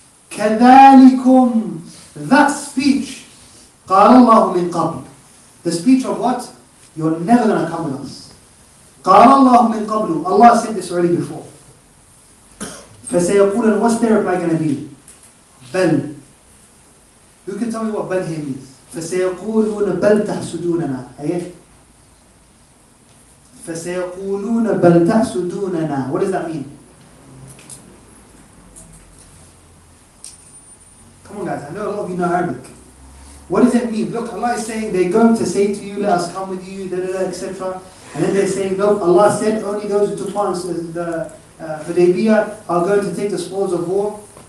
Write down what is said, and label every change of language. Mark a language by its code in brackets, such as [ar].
[ar] كَذَلِكُمْ, [en] that speech, [ar] قَالَ اللَّهُ مِنْ قَبْلِ, [en] the speech of what? You're never going to come with us. [ar] قَالَ اللَّهُ مِنْ قَبْلُ, [en] Allah said this already before. [ar] فَسَيَقُولَ, [en] what's their reply going to be? [ar] بَلْ. [en] Who can tell me what بَلْ here means? [ar] فَسَيَقُولُونَ بَلْ تَحْسُدُونَنَا, أيه؟ فَسَيَقُولُونَ بَلْ تَحْسُدُونَنَا, [en] what does that mean? Come on guys, I know a lot of you know Arabic. What does it mean? Look, Allah is saying, they're going to say to you, let us come with you, da da da, etc. And then they're saying, no, Allah said, only those who took part in the Hudaybiyah are going to take the spoils of war.